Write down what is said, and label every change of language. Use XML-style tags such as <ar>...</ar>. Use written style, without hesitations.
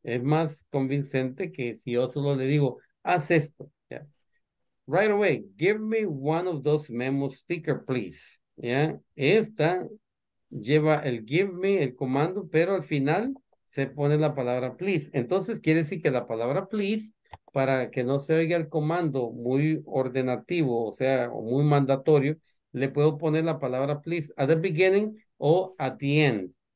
<es>Es más convincente que si yo solo le digo, haz esto.</es> <en>Yeah. Right away. Give me one of those memo sticker, please. Yeah.</en> <es>Esta lleva el give me, el comando, pero al final se pone la palabra please. Entonces quiere decir que la palabra please, para que no se oiga el comando muy ordenativo, o sea, muy mandatorio, le puedo poner la palabra please</es> <en>at the beginning</en> <es>o</es> <en>at the end.</en>